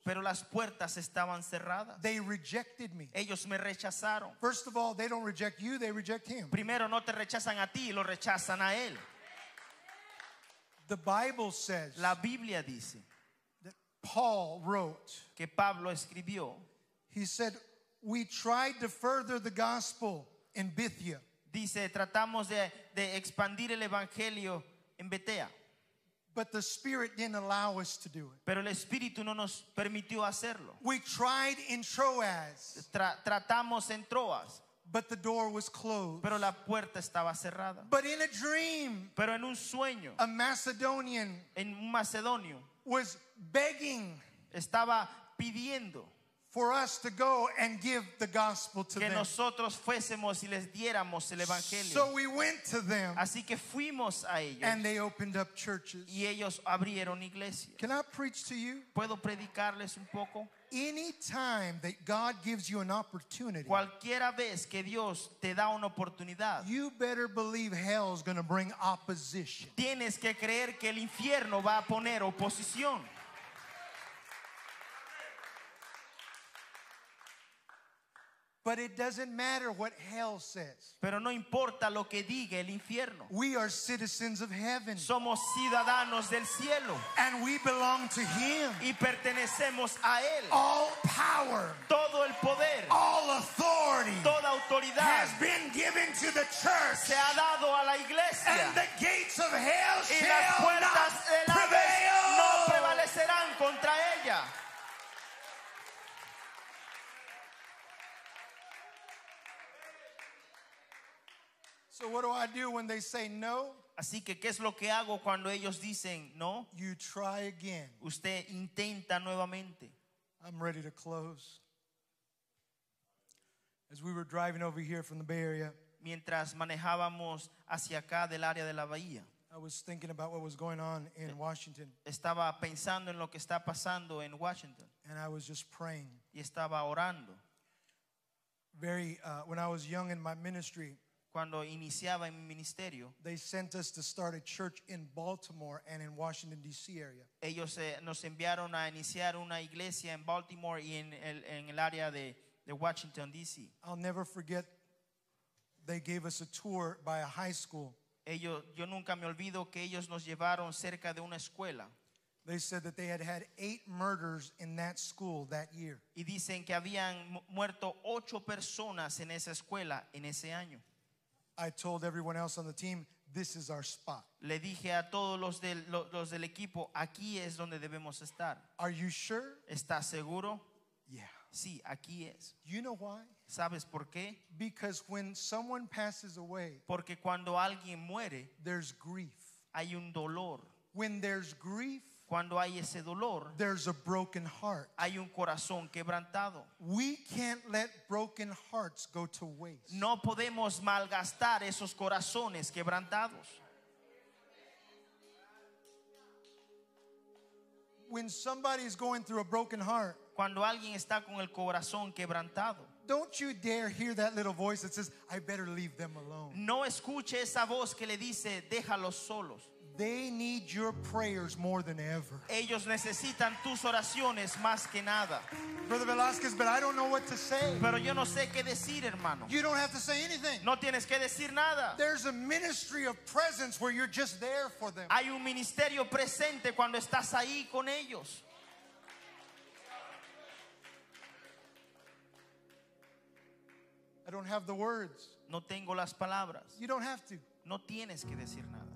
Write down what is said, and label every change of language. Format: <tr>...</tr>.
<es>Pero las puertas estaban cerradas.</es> <en>They rejected me.</en> <es>Ellos me rechazaron.</es> <en>First of all, they don't reject you, they reject him.</en> <es>Primero no te rechazan a ti, lo rechazan a él.</es> <en>The Bible says.</en> <es>La Biblia dice.</es> <en>That Paul wrote.</en> <es>Que Pablo escribió.</es> <en>He said, "We tried to further the gospel in Bithya."</en> <es>Dice, tratamos de expandir el evangelio en Betea.</es> <en>But the Spirit didn't allow us to do it.</en> <es>Pero el Espíritu no nos permitió hacerlo.</es> <en>We tried in Troas.</en> <es>Tratamos en Troas.</es> <en>But the door was closed.</en> <es>Pero la puerta estaba cerrada.</es> <en>But in a dream.</en> <es>Pero en un sueño.</es> <en>A Macedonian.</en> <es>En un macedonio.</es> <en>Was begging.</en> <es>Estaba pidiendo.</es> <en>For us to go and give the gospel to them.</en> <es>Que nosotros fuésemos y les diéramos el evangelio.</es> <en>So we went to them.</en> <es>Así que fuimos a ellos.</es> <en>And they opened up churches.</en> <es>Y ellos abrieron iglesias.</es> <en>Can I preach to you?</en> <es>¿Puedo predicarles un poco?</es> <en>Any time that God gives you an opportunity.</en> <es>Cualquiera vez que Dios te da una oportunidad.</es> <en>You better believe hell is going to bring opposition.</en> <es>Tienes que creer que el infierno va a poner oposición.</es> <en>But it doesn't matter what hell says.</en> <es>Pero no importa lo que diga el infierno.</es> <en>We are citizens of heaven.</en> <es>Somos ciudadanos del cielo.</es> <en>And we belong to him.</en> <es>Y pertenecemos a él.</es> <en>All power.</en> <es>Todo el poder.</es> <en>All authority.</en> <es>Toda autoridad.</es> <en>Has been given to the church.</en> <es>Se ha dado a la iglesia.</es> <en>And the gates of hell</en> <es>y las puertas</es> <en>shall not prevail.</en> <es>No prevalecerán contra ella.</es> <en>So what do I do when they say no?</en> <es>Así que ¿qué es lo que hago cuando ellos dicen no?</es> <en>You try again.</en> <es>Usted intenta nuevamente.</es> <en>I'm ready to close. As we were driving over here from the Bay Area,</en> <es>mientras manejábamos hacia acá del área de la bahía,</es> <en>I was thinking about what was going on in Washington.</en> <es>Estaba pensando en lo que está pasando en Washington.</es> <en>And I was just praying.</en> <es>Y estaba orando.</es> <en>When I was young in my ministry,</en> <es>cuando iniciaba en mi ministerio,</es> <en>they sent us to start a church in Baltimore and in Washington D.C. area.</en> <es>Ellos nos enviaron a iniciar una iglesia en Baltimore y en el área de Washington D.C.</es> <en>I'll never forget. They gave us a tour by a high school.</en> <es>Ellos, yo nunca me olvido que ellos nos llevaron cerca de una escuela.</es> <en>They said that they had had 8 murders in that school that year.</en> <es>Y dicen que habían muerto 8 personas en esa escuela en ese año.</es> <en>I told everyone else on the team, "This is our spot."</en> <es>Le dije a todos los del equipo, aquí es donde debemos estar.</es> <en>Are you sure?</en> <es>¿Estás seguro?</es> <en>Yeah.</en> <es>Sí, aquí es.</es> <en>You know why?</en> <es>¿Sabes por qué?</es> <en>Because when someone passes away,</en> <es>porque cuando alguien muere,</es> <en>there's grief.</en> <es>Hay un dolor.</es> <en>When there's grief,</en> <es>cuando hay ese dolor,</es> <en>there's a broken heart.</en> <es>Hay un corazón quebrantado.</es> <en>We can't let broken hearts go to waste.</en> <es>No podemos malgastar esos corazones quebrantados.</es> <en>When somebody is going through a broken heart,</en> <es>cuando alguien está con el corazón quebrantado,</es> <en>don't you dare hear that little voice that says, "I better leave them alone."</en> <es>No escuche esa voz que le dice, "Déjalos solos."</es> <en>They need your prayers more than ever.</en> <es>Ellos necesitan tus oraciones más que nada.</es> <en>Brother Velasquez, but I don't know what to say.</en> <es>Pero yo no sé qué decir, hermano.</es> <en>You don't have to say anything.</en> <es>No tienes que decir nada.</es> <en>There's a ministry of presence where you're just there for them.</en> <es>Hay un ministerio presente cuando estás ahí con ellos.</es> <en>I don't have the words.</en> <es>No tengo las palabras.</es> <en>You don't have to.</en> <es>No tienes que decir nada.</es>